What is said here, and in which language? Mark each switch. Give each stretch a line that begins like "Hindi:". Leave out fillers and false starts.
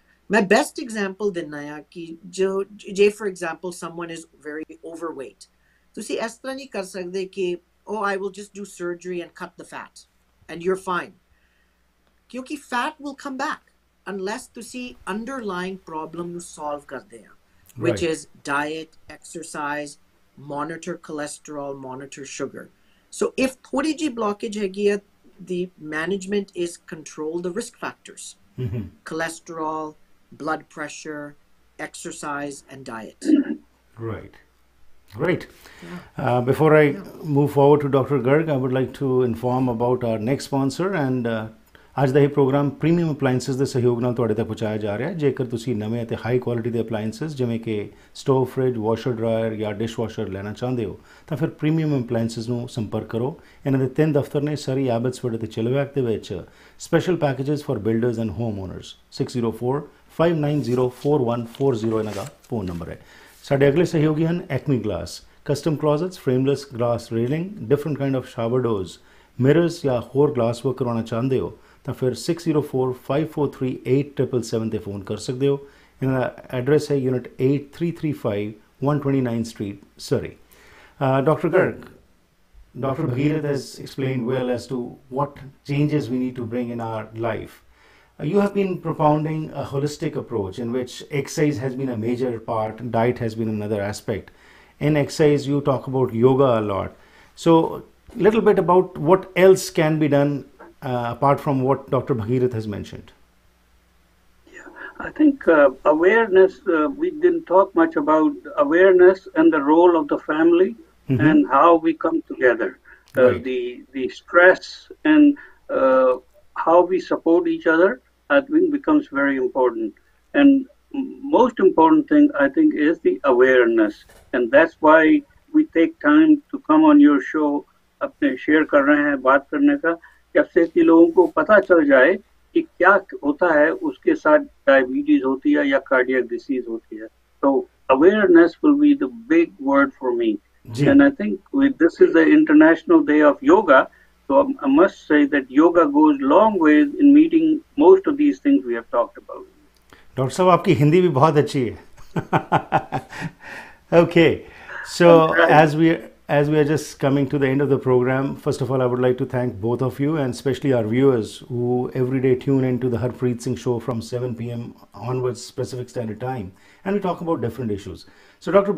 Punjabi: ਮੈਂ best example ਦਿੰਦਾ ਹਾਂ ਕਿ ਜੇ four example
English: someone is very overweight,
Punjabi: ਤੁਸੀਂ ਇਸ ਤਰ੍ਹਾਂ ਨਹੀਂ ਕਰ ਸਕਦੇ ਕਿ
English: oh I will just do surgery and cut the fat and you're fine,
Punjabi: ਕਿਉਂਕਿ
English: fat will come back unless
Punjabi: ਤੁਸੀਂ ਅੰਡਰਲਾਈਂਗ ਪ੍ਰੋਬਲਮ ਨੂੰ ਸੋਲਵ ਕਰਦੇ ਆ।
English: which is diet, exercise, monitor cholesterol, monitor sugar. So if
Punjabi: thodi ji blockage hai gaya,
English: the management is control the risk factors, mm-hmm. cholesterol, blood pressure, exercise, and diet. Right. Great. Yeah. Before I move forward to Dr.
Punjabi: Garg,
English: I would like to inform about our next sponsor and
Punjabi: ਅੱਜ ਦਾ ਇਹ programme premium ਅਪਲਾਈਂਸਿਸ ਦੇ ਸਹਿਯੋਗ ਨਾਲ ਤੁਹਾਡੇ ਤੱਕ ਪਹੁੰਚਾਇਆ ਜਾ ਰਿਹਾ ਹੈ। ਜੇਕਰ ਤੁਸੀਂ ਨਵੇਂ ਅਤੇ ਹਾਈ ਕੁਆਲਿਟੀ ਦੇ ਅਪਲਾਈਂਸਿਸ ਜਿਵੇਂ ਕਿ ਸਟੋਵ, ਫਰਿੱਜ, ਵਾਸ਼ਰ, ਡਰਾਇਰ ਜਾਂ ਡਿਸ਼ਵਾਸ਼ਰ ਲੈਣਾ ਚਾਹੁੰਦੇ ਹੋ ਤਾਂ ਫਿਰ ਪ੍ਰੀਮੀਅਮ ਅਪਲਾਈਂਸਿਸ ਨੂੰ ਸੰਪਰਕ ਕਰੋ। ਇਹਨਾਂ ਦੇ ਤਿੰਨ ਦਫ਼ਤਰ ਨੇ ਸਰੀ ਐਬਟਸਫੋਰਡ ਅਤੇ ਚਿਲਵੈਕ ਦੇ ਵਿੱਚ।
English: special packages for builders and home owners
Punjabi: 604-590-4140 ਇਹਨਾਂ ਦਾ ਫੋਨ ਨੰਬਰ ਹੈ। ਸਾਡੇ ਅਗਲੇ ਸਹਿਯੋਗੀ ਹਨ ਐਕਮੀ glass, custom ਕਲੋਜ਼ਟਸ, ਫਰੇਮਲੈਸ glass railing,
English: different kind of shower doors,
Punjabi: mirrors ਜਾਂ ਹੋਰ ਗਲਾਸ ਵਰਕ ਕਰਵਾਉਣਾ ਚਾਹੁੰਦੇ ਹੋ ਤਾਂ ਫਿਰ 604-543-8777 'ਤੇ ਫੋਨ ਕਰ ਸਕਦੇ ਹੋ। ਇਹਨਾਂ ਦਾ ਐਡਰੈਸ ਹੈ unit 8335-129 street, Surrey.
English: Doctor Garg, doctor Bhagirath has explained well as to what changes we need to bring in our life. You have been propounding a holistic approach in ਵਿੱਚ exercise has been a major part, diet has been another aspect. In exercise you talk about yoga a lot, so little bit about what else can be done apart from what Dr. Bhagirath has mentioned. Yeah, I think awareness, we didn't talk much about awareness and the role of the family, mm-hmm. and how we come together, right. the stress and how we support each other, I think becomes very important. And most important thing, I think, is the awareness. And that's why we take time to come on your show,
Hindi: अपने share कर रहे हैं, बात करने का, जब से कि लोगों को पता चल जाए कि क्या होता है, उसके साथ डायबिटीज होती है या कार्डियक डिसीज होती है।
English: तो awareness will be the big word for me, and I think this is the international day of yoga, so I must say that yoga goes long way in meeting most of these things we have talked about.
Hindi: Doctor साहब, आपकी हिंदी भी बहुत अच्छी है।
English: Okay, so as we As we are just coming to the end of the program, first of all, I would like to thank both of you and especially our viewers who every day tune into the Harpreet Singh Show from 7 p.m. onwards, Pacific Standard Time, and we talk about different issues. So, Dr.